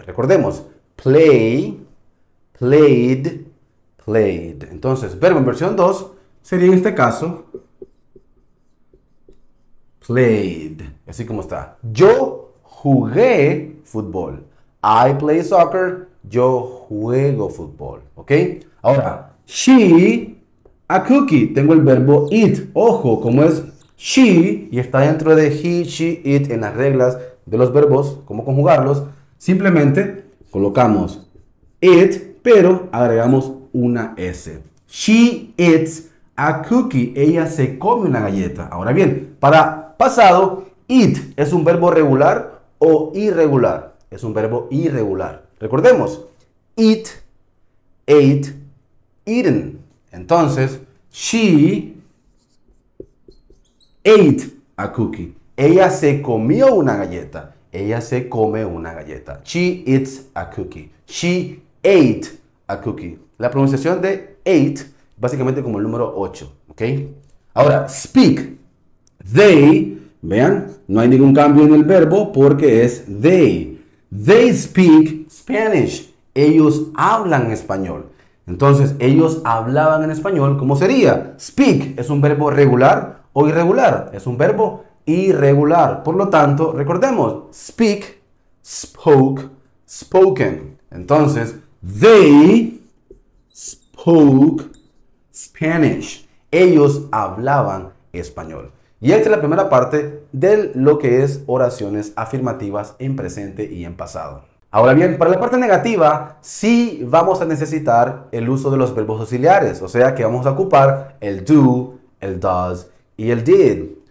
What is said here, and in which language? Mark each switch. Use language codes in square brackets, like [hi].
[es] Recordemos, play, played, played. Entonces, verbo en versión 2 sería en este caso played, así como está. Yo jugué fútbol. [en] I play soccer. [es] Yo juego fútbol. ¿Ok? Ahora, [en] she a cookie. [es] Tengo el verbo eat. Ojo, como es she y está dentro de he, she, it en las reglas de los verbos, cómo conjugarlos. Simplemente colocamos it, pero agregamos una S. [en] She eats a cookie. [es] Ella se come una galleta. Ahora bien, para pasado, eat, ¿es un verbo regular o irregular? Es un verbo irregular. Recordemos, eat, ate, eaten. [en] Entonces, she ate a cookie. [es] Ella se comió una galleta. Ella se come una galleta. [en] She eats a cookie. She ate a cookie. [es] La pronunciación de ate, básicamente como el número 8. ¿Okay? Ahora, speak. They, vean, no hay ningún cambio en el verbo porque es they. [en] They speak Spanish. [es] Ellos hablan español. Entonces, ellos hablaban en español, ¿cómo sería? Speak, ¿es un verbo regular o irregular? Es un verbo irregular. Por lo tanto, recordemos, speak, spoke, spoken. [en] Entonces, they spoke Spanish. [es] Ellos hablaban español. Y esta es la primera parte de lo que es oraciones afirmativas en presente y en pasado. Ahora bien, para la parte negativa, sí vamos a necesitar el uso de los verbos auxiliares. O sea que vamos a ocupar el do, el does y el did.